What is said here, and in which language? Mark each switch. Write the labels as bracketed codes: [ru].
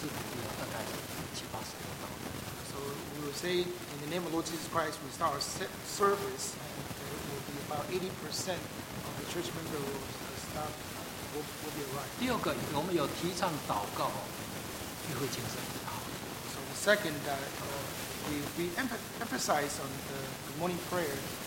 [zh] 当我们开始奉主耶稣圣名聚会的时候，如果我们一直在鼓励，大概70%到。 [en] So we will say in the name of Lord Jesus Christ, we start our service, and there will be about 80% of the church members will be arrived. [zh] 第二个，我们有提倡祷告，聚会精神。 [en] So the second that we emphasize on the morning prayer.